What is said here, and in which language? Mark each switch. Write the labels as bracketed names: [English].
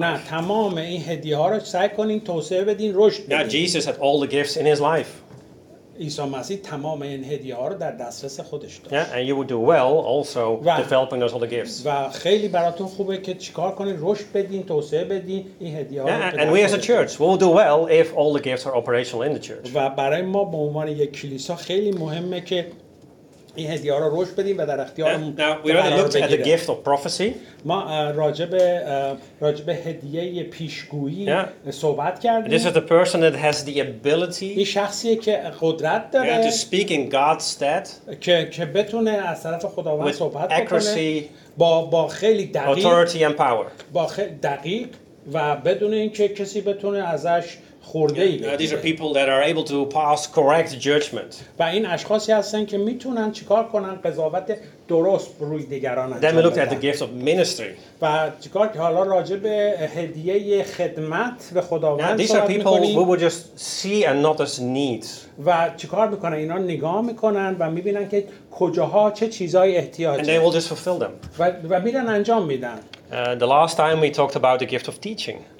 [Persian] نه تمام این هدیه ها رو سعی کنین توسعه بدین رشد بدین. [English] Yeah, Jesus had all the gifts in his life. [Persian] عیسی مسیح تمام این هدیه ها رو در دسترس خودش داشت. [English] Yeah, and you would do well also developing those all the gifts. [Persian] و خیلی براتون خوبه که چیکار کنین رشد بدین توسعه بدین این هدیه ها رو. [English] Yeah, and we as a church will do well if all the gifts are operational in the church. [Persian] و برای ما به عنوان یک کلیسا خیلی مهمه که این هدیه ها رو روش بدیم و در اختیارمون قرار بگیریم. ما راجب هدیه پیشگویی صحبت کردیم. [English] This is the person that has the ability. [Persian] این شخصیه که قدرت داره. [English] To speak in God's stead. [Persian] که بتونه از طرف خداوند صحبت بکنه. با خیلی دقیق. [English] Authority and power. [Persian] با خیلی دقیق و بدون اینکه کسی بتونه ازش خورده‌ای بگیره. [English] These are people that are able to pass correct judgment. [Persian] و این اشخاصی هستن که میتونن چیکار کنن قضاوت درست روی دیگران انجام بدن. [English] Then we looked at the gifts of ministry. [Persian] و چیکار که حالا راجع به هدیه خدمت به خداوند صحبت می‌کنیم. [English] These are people who will just see and not as needs. [Persian] و چیکار می‌کنن اینا نگاه می‌کنن و می‌بینن که کجاها چه چیزای احتیاجه. [English] And they will just fulfill them. [Persian] و میرن انجام میدن. [English] The last time we talked about the gift of teaching.